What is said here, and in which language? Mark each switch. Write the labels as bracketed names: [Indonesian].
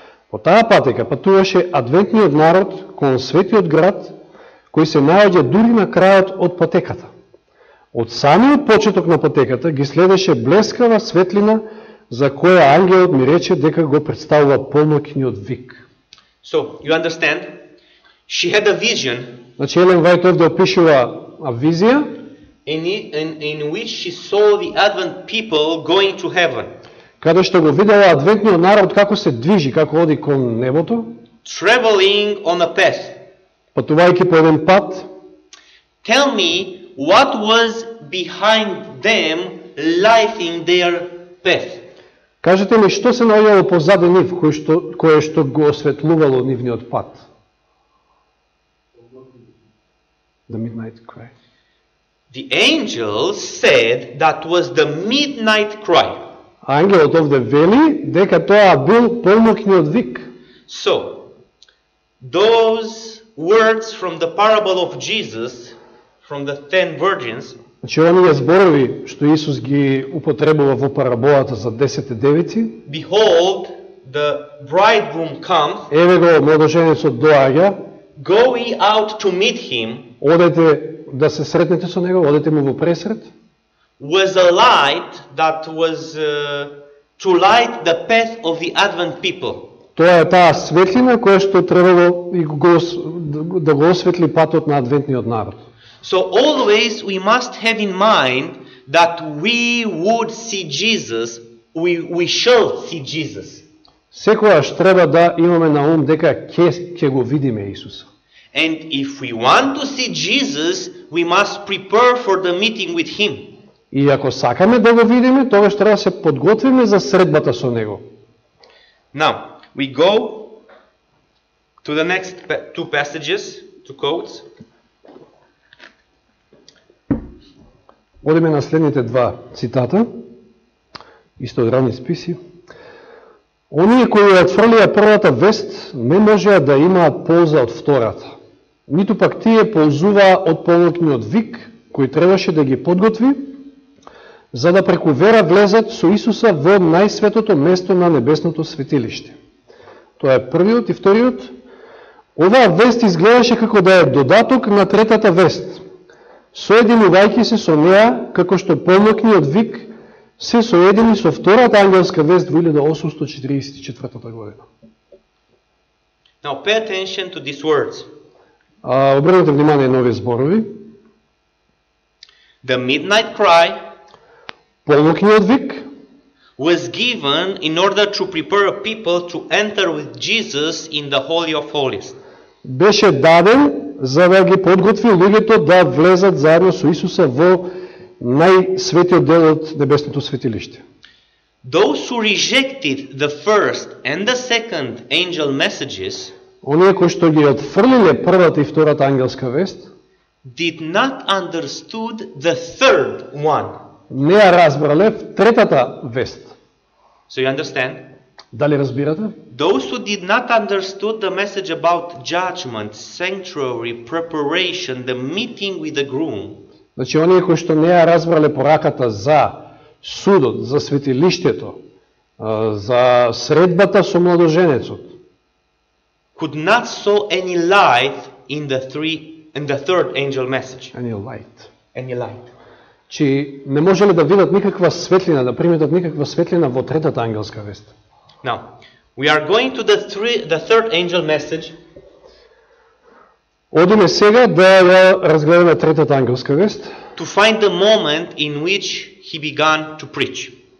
[Macedonian] По таа патека патуваше адвентниот народ кон светиот град, кој се наоѓа дури на крајот од патеката. Од самиот почеток на патеката ги следеше блескава светлина, за која ангелот ми рече дека го представува полнокниот вик. [English] So, you understand? She had a vision. [Macedonian] Значи, Елен Вајт овде опишува a vizija [English] in which she saw the advent people going to heaven. [Macedonian] Каде што го видела адвентниот народ како се движи, како оди кон небото? [English] Traveling on a path. [Macedonian] Патувајќи по еден пат. [English] Tell me what was behind them lighting their path. [Macedonian] Кажете ми што се наоѓало позади нив кое што го осветлувало нивниот пат. [English] The midnight cry. The angel said that was the midnight cry. [Macedonian] Ангелот овде вели дека тоа бил полнокниот вик. [English] So, those words from the parable of Jesus, from the ten virgins, [Macedonian] значи оние зборови што Исус ги употребува во параболата за 10-те девици, [English] behold, the bridegroom comes, [Macedonian] еве го младоженецот доаѓа, [English] go ye out to meet him, [Macedonian] одете да се сретнете со него, одете му во пресред, [English] was a light that was to light the path of the advent people. [Macedonian] Тоа е таа светлина која што требало да го осветли патот на адвентниот народ. [English] So always we must have in mind that we would see Jesus, we shall see Jesus. [Macedonian] Секогаш треба да имаме на ум дека ќе го видиме Исуса. [English] And if we want to see Jesus, we must prepare for the meeting with him. [Macedonian] И ако сакаме да го видиме, тогаш треба да се подготвиме за средбата со него. [English] Now, we go to the next two passages, two quotes. [Macedonian] Одиме на следните два цитата, исто од Рани Списи. Оние кои ја отфрлија првата вест, не можеа да имаат полза од втората. Ниту пак тие ползуваа од повлекниот вик, кој требаше да ги подготви, за да преку вера влезат со Исуса во најсветото место на небесното светилиште. Тоа е првиот и вториот. Оваа вест изгледаше како да е додаток на третата вест, соединувајќи се со неа, како што повлекниот вик се соедини со втората ангелска вест во 1844 година. [English] Now pay attention to these words. [Macedonian] Обрнете внимание на овие зборови. [English] The midnight cry, [Macedonian] полнокниот вик, [English] was given in order to prepare people to enter with Jesus in the Holy of Holies. [Macedonian] Беше даден за да ги подготви луѓето да влезат заедно со Исуса во најсветиот дел од небесното светилиште. [English] Those who rejected the first and the second angel messages, [Macedonian] оние кои што ги отфрлиле првата и втората ангелска вест, [English] did not understood the third one. [Macedonian] Не ја разбрале третата вест. [English] So you understand? [Macedonian] Дали разбирате? [English] Those who did not understood the message about judgment, sanctuary, preparation, the meeting with the groom. [Macedonian] Значи, оние кои што не ја разбрале пораката за судот, за светилиштето, за средбата со младоженецот, [English] could not saw any light in the third angel message. Any light. [Macedonian] Чи не можеле да видат никаква светлина, да приметат никаква светлина во третата ангелска вест. [English] Now, we are going to the third angel message. [Macedonian] Одиме сега да ја разгледаме третата ангелска вест. [English] To find the moment in which he began to preach.